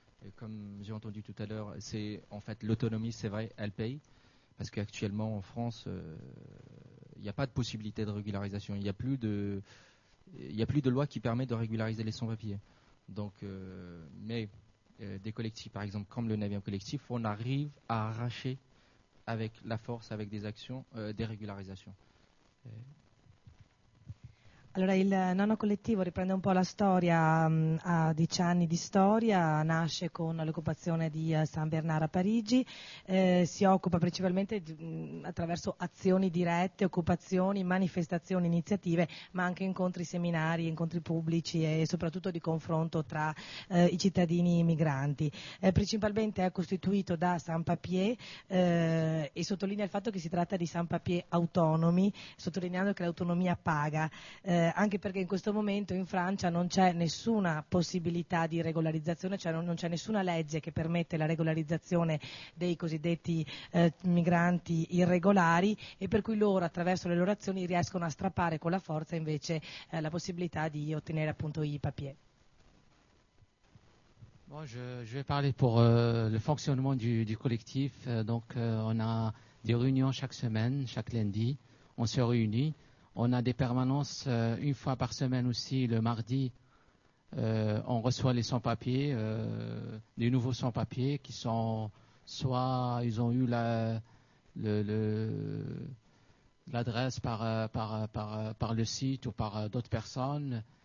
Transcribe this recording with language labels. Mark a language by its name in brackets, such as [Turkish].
[French] Et comme j'ai entendu tout à l'heure, c'est en fait l'autonomie, c'est vrai, elle paye, parce qu'actuellement en France, il n'y a pas de possibilité de régularisation. Il n'y a plus de loi qui permet de régulariser les sans-papiers. Donc, des collectifs, par exemple, comme le 9e collectif, on arrive à arracher avec la force, avec des actions, des régularisations. Et [Italian] allora, il 9° collettivo riprende un po' la storia, ha 10 anni di storia, nasce con l'occupazione di Saint-Bernard a Parigi, si occupa principalmente attraverso azioni dirette, occupazioni, manifestazioni, iniziative, ma anche incontri, seminari, incontri pubblici e soprattutto di confronto tra i cittadini migranti. Principalmente è costituito da sans-papiers e sottolinea il fatto che si tratta di sans-papiers autonomi, sottolineando che l'autonomia paga. Anche perché in questo momento in Francia non c'è nessuna possibilità di regolarizzazione, cioè non c'è nessuna legge che permette la regolarizzazione dei cosiddetti migranti irregolari e per cui loro attraverso le loro azioni riescono a strappare con la forza invece la possibilità di ottenere appunto i papier. [French] Bon, je vais parler pour le fonctionnement du collectif. Donc on a des réunions chaque semaine, chaque lundi, on se réunit. On a des permanences une fois par semaine aussi, le mardi, on reçoit les sans-papiers, les nouveaux sans-papiers qui sont soit ils ont eu l'adresse par le site ou par d'autres personnes.